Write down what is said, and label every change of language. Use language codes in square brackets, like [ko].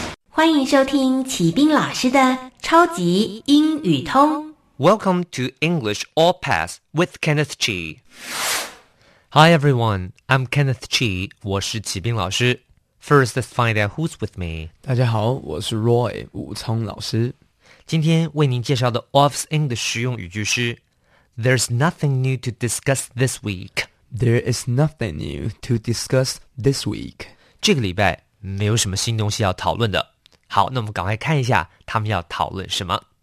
[zh] 欢迎收听启斌老师的超级英语通。 [en] Welcome to English All Pass with Kenneth Chi. Hi everyone, I'm Kenneth Chi, [zh] 我是启斌老师。 [en] First, let's find out who's with me. [zh] 大家好，我是 Roy, 武聪老师。今天为您介绍的 Off's In 的实用语句是 [en] There's nothing new to discuss this week. There is nothing new to discuss this week. [zh] 这个礼拜没有什么新东西要讨论的。好，那我们赶快看一下他们要讨论什么。